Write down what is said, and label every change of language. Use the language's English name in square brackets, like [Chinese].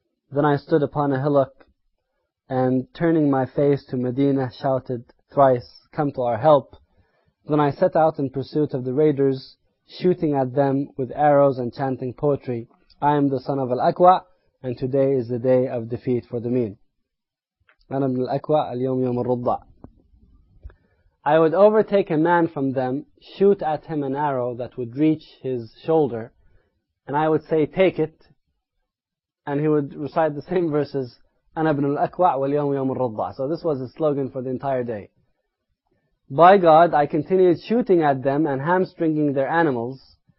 [English] Then I stood upon a hillock, and turning my face to Medina, shouted thrice, come to our help. Then I set out in pursuit of the raiders, shooting at them with arrows and chanting poetry. I am the son of Al-Aqwa, and today is the day of defeat for the mean. [Arabic] أنا من الأكوى اليوم يوم الرضع. [English] I would overtake a man from them, shoot at him an arrow that would reach his shoulder, and I would say, take it, and he would recite the same verses, [Arabic] أنا ابن الأكوع واليوم يوم الرضع. [English] So this was his slogan for the entire day. By God, I continued shooting at them and hamstringing their animals.